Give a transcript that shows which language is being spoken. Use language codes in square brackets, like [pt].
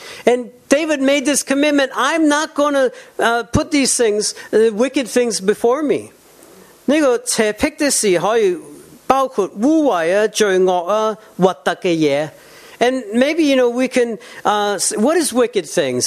[en] And David made this commitment, I'm not going to put these things, wicked things before me. [yue] 这个邪僻的事可以包括污秽啊、罪恶啊、恶毒的嘢。 [en] And maybe, you know, we can, what is wicked things?